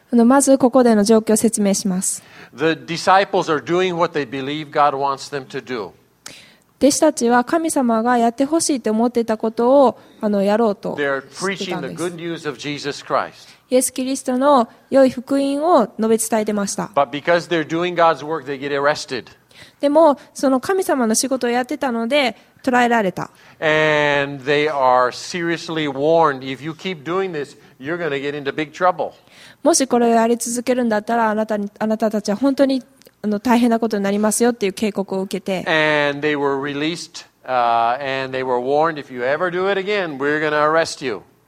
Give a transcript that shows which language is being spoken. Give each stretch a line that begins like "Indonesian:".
Japanese: まずここでの状況を説明します。
English: The disciples are doing what they believe God wants them to do.
Japanese: 弟子たちは神様がやってほしいと思っていたことをやろうとしてたんです。
English: They're preaching the good news of Jesus Christ.
Japanese: イエス・キリストの良い福音を述べ伝えてました。
English: But because they're doing God's work, they get arrested.
Japanese: でも、その神様の仕事をやってたので、捕らえられた。
English: And they are seriously warned, if you keep doing this, you're going to get into big trouble.
Japanese: もしこれをやり続けるんだったら、あなたたちは本当に大変なことになりますよっていう警告を受けて。
English: And they were released, and they were warned, if you ever do it again, we're going to arrest you.